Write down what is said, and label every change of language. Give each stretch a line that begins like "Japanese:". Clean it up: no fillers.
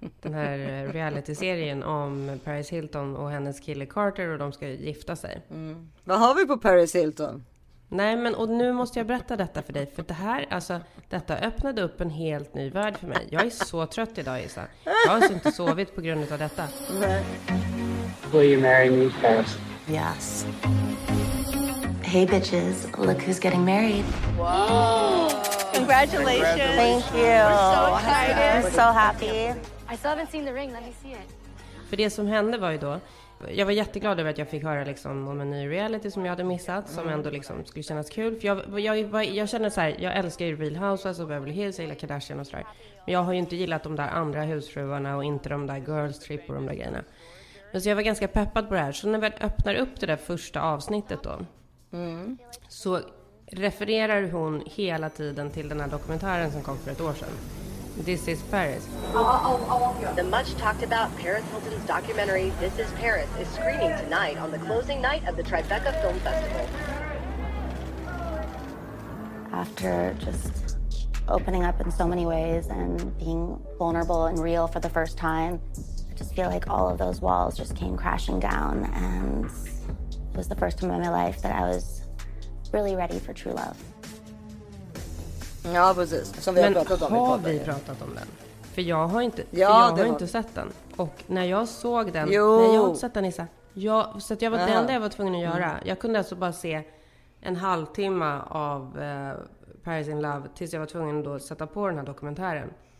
Swedish: Den här reality-serien om Paris Hilton och hennes kille Carter, och de ska gifta sig. Mm. Vad har vi på Paris Hilton? Nej, men och nu måste jag berätta detta för dig. För det här, alltså, detta öppnade upp en helt ny värld för mig. Jag är så trött idag, Isa. Jag har alltså inte sovit på grund av detta.
English: Will you marry me, Paris? Yes. Hey bitches, look who's getting married. Whoa! Congratulations. Thank you. We're so excited. I'm so happy. I still haven't seen the ring, let me see it.
Swedish: För det som hände var ju då, jag var jätteglad över att jag fick höra liksom om en ny reality som jag hade missat, som ändå liksom skulle kännas kul. För jag känner så här, jag älskar ju Real Housewives och Beverly Hills, jag gillar Kardashian och sådär. Men jag har ju inte gillat de där andra husfruarna och inte de där girls trip och de där grejerna. Men så jag var ganska peppad på det här. Så när vi öppnar upp det där första avsnittet då, så refererar hon hela tiden till den här dokumentären som kom för ett år sedan.
English: This is Paris. The much talked about Paris Hilton's documentary This is Paris is screening tonight on the closing night of the Tribeca Film Festival. After just opening up in so many ways and being vulnerable and real for the first time, I just feel like all of those walls just came crashing down, and it was the first time in my life that I was really ready for true love.
Swedish: Ja, precis. Som vi har pratat om den? För jag har inte, inte sett den. Och när jag såg den, jag har inte sett den, det enda jag var tvungen att göra. Jag kunde alltså bara se en halvtimme av Paris in Love tills jag var tvungen att då sätta på den här dokumentären.